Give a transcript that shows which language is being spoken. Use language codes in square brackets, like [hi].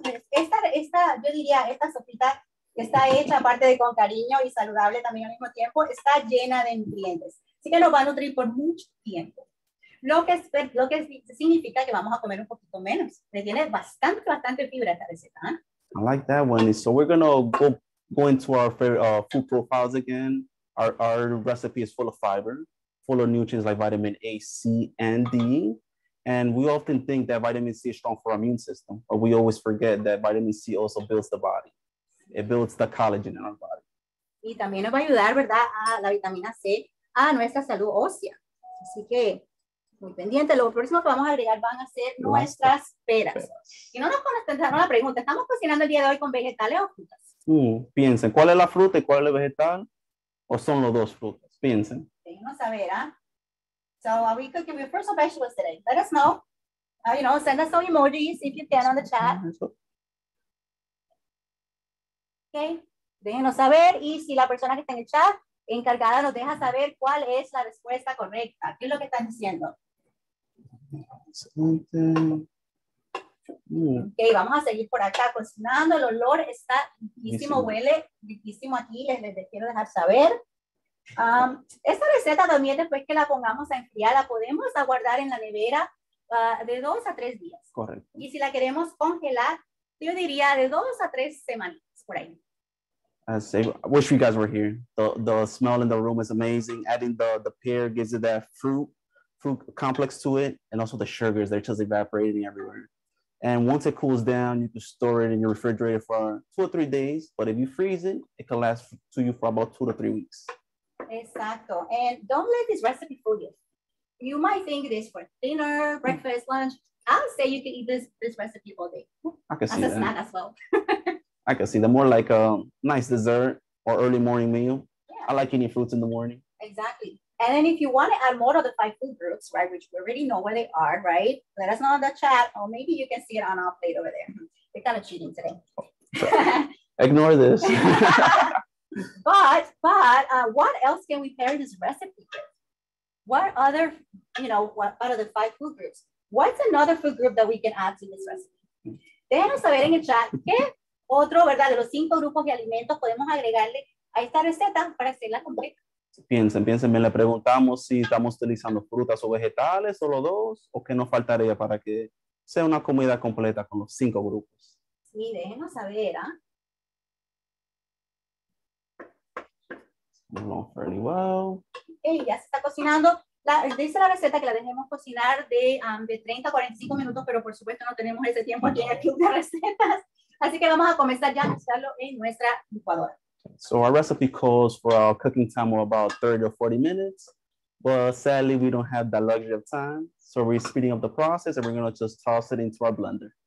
[es] Esta sopita está hecha, aparte de con cariño y saludable también al mismo tiempo, está llena de nutrientes. Así que nos va a nutrir por mucho tiempo. Lo que significa que vamos a comer un poquito menos. Tiene bastante, bastante fibra esta receta. [en] ¿Eh? I like that one. So we're going to go into our favorite food profiles again. Our recipe is full of fiber, full of nutrients like vitamin A, C, and D. And we often think that vitamin C is strong for our immune system, but we always forget that vitamin C also builds the body. It builds the collagen in our body. [es] Y también nos va a ayudar, ¿verdad?, a la vitamina C, a nuestra salud ósea. Así que, muy pendiente, lo próximo que vamos a agregar van a ser nuestras peras. Y no nos contestaron la pregunta, ¿estamos cocinando el día de hoy con vegetales o frutas? Piensen, ¿cuál es la fruta y cuál es el vegetal? ¿O son los dos frutas? Piensen. Vamos a ver, ¿ah? [en] ¿Eh? So, are we cooking with fruits or vegetables today? Let us know. You know, send us some emojis if you can on the chat. [es] Okay, déjenos saber. Y si la persona que está en el chat encargada nos deja saber cuál es la respuesta correcta. ¿Qué es lo que están diciendo? Ok, vamos a seguir por acá cocinando. El olor está riquísimo, huele riquísimo aquí. Les quiero dejar saber. Esta receta también, después que la pongamos a enfriar, la podemos aguardar en la nevera de 2 a 3 días. Correcto. Y si la queremos congelar, yo diría de 2 a 3 semanas por ahí. [en] I say, I wish you guys were here. The smell in the room is amazing. Adding the pear gives it that fruit complex to it, and also the sugars, they're just evaporating everywhere. And once it cools down, you can store it in your refrigerator for 2 or 3 days. But if you freeze it, it can last to you for about 2 to 3 weeks. Exacto. And don't let this recipe fool you. You might think this for dinner, breakfast, lunch. I'll say you can eat this recipe all day. I can see as A snack as well. I can see that. More like a nice dessert or early morning meal. Yeah. I like eating fruits in the morning. Exactly. And then if you want to add more of the 5 food groups, right, which we already know where they are, right? Let us know in the chat, or maybe you can see it on our plate over there. We're kind of cheating today. Ignore this. But what else can we pair this recipe with? What other, you know, what out of the 5 food groups? What's another food group that we can add to this recipe? [es] Déjanos saber en el chat qué otro, ¿verdad? De los 5 grupos de alimentos podemos agregarle a esta receta para hacerla completa. Piensen, me le preguntamos si estamos utilizando frutas o vegetales, solo 2, o qué nos faltaría para que sea una comida completa con los 5 grupos. Sí, déjenos saber, ¿ah? ¿Eh? [en] Not fairly well. [es] Okay, ya se está cocinando. Dice la receta que la dejemos cocinar de 30 a 45 minutos, pero por supuesto no tenemos ese tiempo aquí en el club de recetas. Así que vamos a comenzar ya a usarlo en nuestra licuadora. [en] So our recipe calls for our cooking time of about 30 or 40 minutes, but sadly we don't have that luxury of time. So we're speeding up the process and we're going to just toss it into our blender.